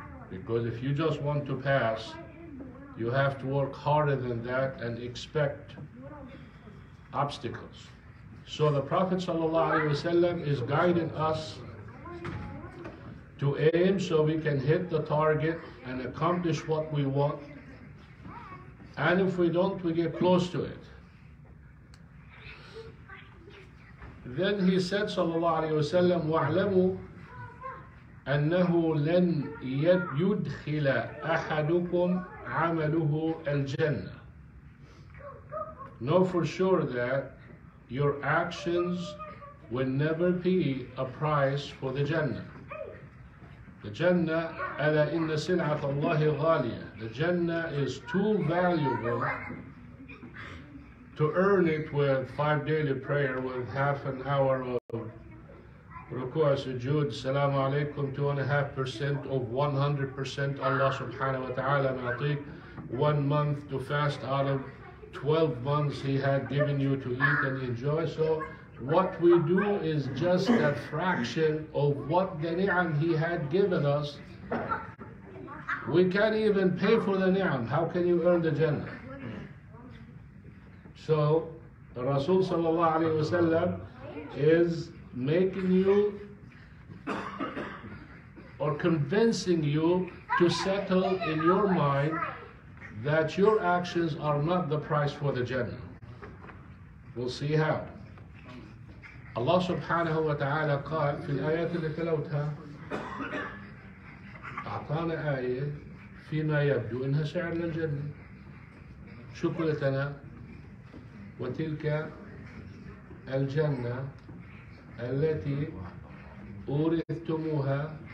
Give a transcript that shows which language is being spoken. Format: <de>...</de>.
<en>Because if you just want to pass, you have to work harder than that and expect obstacles. So the Prophet ﷺ is guiding us to aim so we can hit the target and accomplish what we want. And if we don't, we get close to it. Then he said,</en> <ar>صلى الله عليه وسلم, وَاعْلَمُوا أَنَّهُ لَنْ يُدْخِلَ أَحَدُكُمْ عَمَلُهُ الْجَنَّةِ.</ar> <en>Know for sure that your actions will never be a price for the Jannah.</en> <ar>The Jannah, أَلَا إِنَّ سِلْعَةَ اللَّهِ غَالِيَةً.</ar> <en>The Jannah is too valuable to earn it with 5 daily prayer, with half an hour of ruku'a, sujood, salamu alaykum, 2.5% of 100% Allah subhanahu wa ta'ala ma'atik. 1 month to fast out of 12 months He had given you to eat and enjoy. So what we do is just a fraction of what the ni'am He had given us. We can't even pay for the ni'am. How can you earn the Jannah? So Rasul sallallahu alayhi wa sallam is making you or convincing you to settle in your mind that your actions are not the price for the Jannah. We'll see how.</en> <ar>الله سبحانه وتعالى قال في الآيات اللي تلوتها أعطانا آية فيما يبدو إنها سعر للجنة. شو قلت أنا؟ وتلك الجنة التي أورثتموها.</ar>